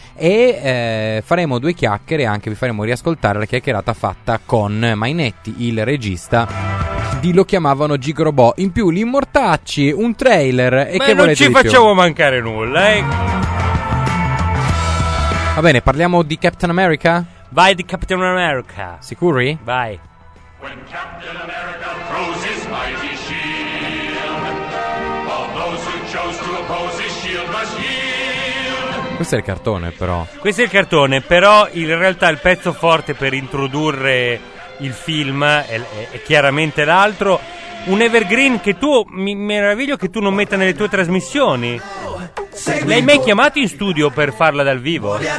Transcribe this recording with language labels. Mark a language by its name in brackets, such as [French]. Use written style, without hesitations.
[Italian] E faremo due chiacchiere, anche vi faremo riascoltare la chiacchierata fatta con Mainetti, il regista di Lo chiamavano Gigrobò. In più l'immortacci, un trailer e ma che non ci di facciamo più? Mancare nulla, Va bene, parliamo di Captain America? Vai di Captain America. Sicuri? Vai. [English] When Captain America throws his mighty shield, all those who chose to oppose his shield must yield. [Italian] Questo è il cartone, però. Questo è il cartone, però in realtà il pezzo forte per introdurre il film è chiaramente l'altro. Un evergreen che tu, mi meraviglio che tu non metta nelle tue trasmissioni. L'hai mai chiamato in studio per farla dal vivo?